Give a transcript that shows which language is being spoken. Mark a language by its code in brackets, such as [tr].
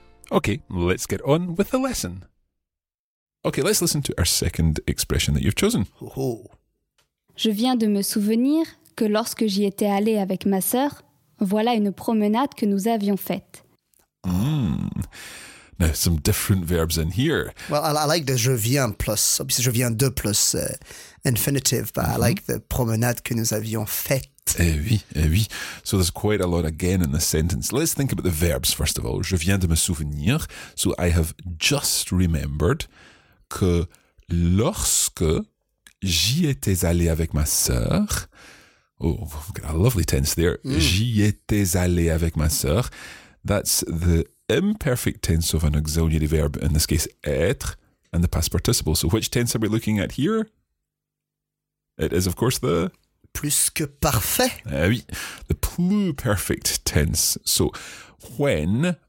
[en] Okay, let's get on with the lesson. Okay, let's listen to our second expression that you've chosen. Oh. [fr] Je viens de me souvenir que lorsque j'y étais allée avec ma sœur, voilà une promenade que nous avions faite. [en] Now, some different verbs in here. Well, I like the je viens plus, obviously je viens de plus infinitive, but mm-hmm. I like the [fr] promenade que nous avions faite. Eh oui. [en] So there's quite a lot again in the sentence. Let's think about the verbs first of all. [fr] Je viens de me souvenir. [en] So I have just remembered [fr] que lorsque j'y étais allé avec ma sœur. [en] Oh, we've got a lovely tense there. Mm. [fr] J'y étais allé avec ma sœur. [en] That's the imperfect tense of an auxiliary verb, in this case, être, and the past participle. So which tense are we looking at here? It is, of course, the... [fr] Plus que parfait. [en] Oui, the pluperfect tense. So when